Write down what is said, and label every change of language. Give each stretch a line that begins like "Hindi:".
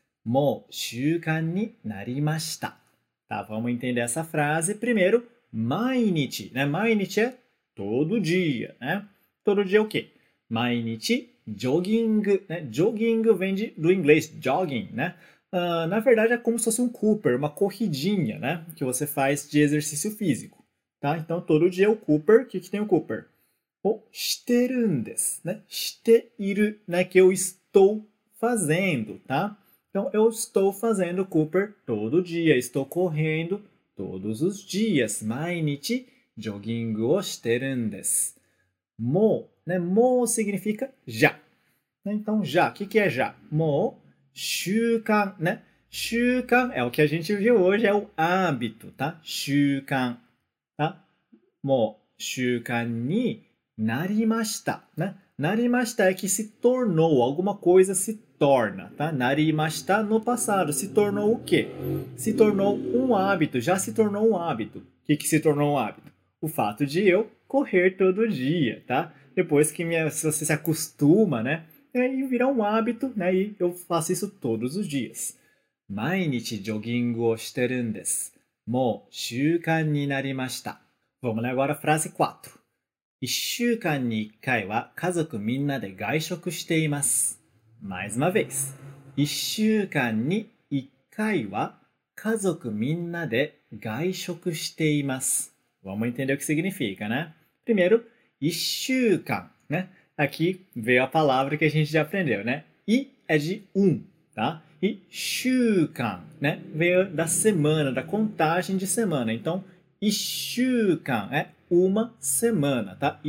Japanese: もう習慣になりました.
Portuguese: Tá, vamos entender essa frase primeiro. 毎日, né? 毎日 é todo dia, né? Todo dia o quê? 毎日 jogging, né? Jogging vem do inglês jogging, né? Na verdade é como se fosse um Cooper, uma corridinha, né? Que você faz de exercício físico, tá? Então todo dia o Cooper, o que que tem o Cooper? O
Japanese: してるんです,
Portuguese: né?
Japanese: している,
Portuguese: né? Que eu estou fazendo, tá? Então, eu estou fazendo Cooper todo dia, estou correndo todos os dias.
Japanese: 毎日 jogging をしてるんです。もう、né?
Portuguese: もう significa já. Então, já, o que que é já?
Japanese: もう習慣,
Portuguese: né? 習慣é o que a gente viu hoje, é o hábito, tá?
Japanese: 習慣、tá? もう習慣になりました、né? なりました
Portuguese: que se tornou, alguma coisa se torna, tá?
Japanese: なりましたの
Portuguese: passado, se tornou o quê? Se tornou um hábito, já se tornou um hábito. O que se tornou um hábito? O fato de eu correr todo dia, tá? Depois que você se acostuma, né? E vira um hábito, né? E eu faço isso todos os dias.
Japanese: 毎日ジョギングをしてるんです。もう習慣になりました。
Portuguese: Vamos lá agora, frase 4.
Japanese: 1週間に1回は家族みんなで外食しています。
Portuguese: Mais uma vez.
Japanese: 1週間に1回は家族みんなで外食しています。
Portuguese: Vamos entender o que significa, né? Primeiro,
Japanese: 1週間,
Portuguese: né? Aqui veio a palavra que a gente já aprendeu, né? I é de um, tá? E 週間, né? Veio da semana, da contagem de semana. Então, 1週間 é uma semana, tá?